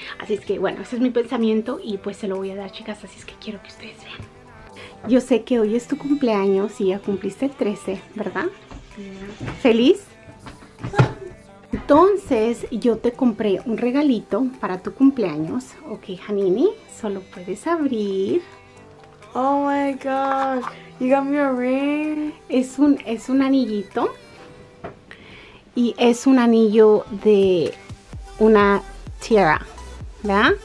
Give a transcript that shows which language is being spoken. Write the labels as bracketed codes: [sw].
[es] Así es que bueno, ese es mi pensamiento y pues se lo voy a dar, chicas, así es que quiero que ustedes vean. Yo sé que hoy es tu cumpleaños y ya cumpliste el 13, ¿verdad? Sí. ¿Feliz? Entonces, yo te compré un regalito para tu cumpleaños. Ok, Janine, solo puedes abrir. [en] Oh my gosh, you got me a ring. [es] Es un anillito. Y es un anillo de una tiara, ¿verdad?